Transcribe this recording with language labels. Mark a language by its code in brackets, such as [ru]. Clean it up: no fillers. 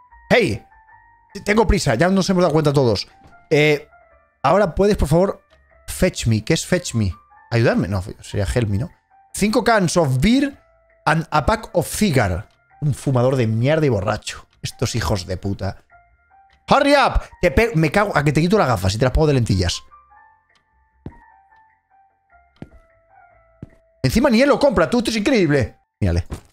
[es] ¡Hey! Tengo prisa, ya nos hemos dado cuenta todos. Ahora puedes, por favor, [en] fetch me. [es] ¿Qué es fetch me? ayudarme, no, sería [en] help me, [es] ¿no? [en] 5 cans of beer and a pack of cigar. [es] Un fumador de mierda y borracho. Estos hijos de puta. [en] ¡Hurry up! [es] Me cago a que te quito las gafas y te las pongo de lentillas. Encima ni él lo compra, tú, esto es increíble. Mírale.